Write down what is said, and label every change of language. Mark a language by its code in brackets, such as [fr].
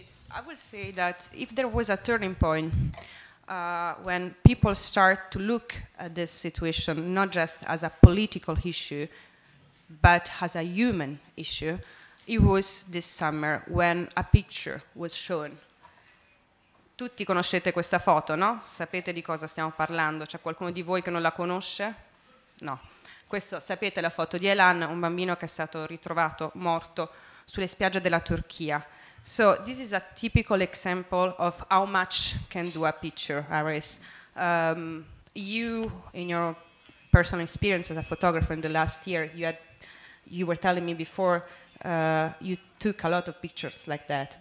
[en] I would say that if there was a turning point when people start to look at this situation not just as a political issue, but as a human issue, it was this summer when a picture was shown. [it] Tutti conoscete questa foto, no? Sapete di cosa stiamo parlando? C'è qualcuno di voi che non la conosce? No. Questo, sapete la foto di Elan, un bambino che è stato ritrovato morto sulle spiagge della Turchia. [en] So this is a typical example of how much can do a picture, Aris. You, in your personal experience as a photographer in the last year, you were telling me before you took a lot of pictures like that.